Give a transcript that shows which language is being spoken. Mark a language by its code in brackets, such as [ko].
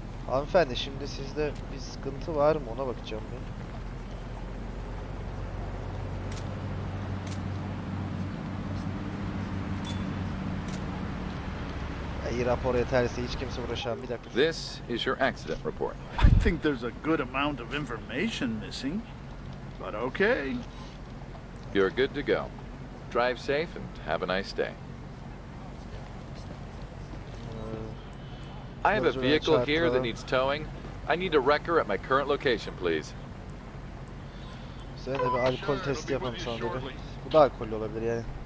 [tr] Hanımefendi, şimdi sizde bir sıkıntı var mı? Ona bakacağım ben. İyi rapor yeterse hiç kimse uğraşamam. Bir dakika. [en] This is your accident report. I think there's a good amount of information missing. But okay. You're good to go. Drive safe and have a nice day. I have a vehicle here that needs towing. I need a wrecker at my current location, please. [tr] Sen de bir alkol testi yapalım sana dedim. Bu da alkollü olabilir yani.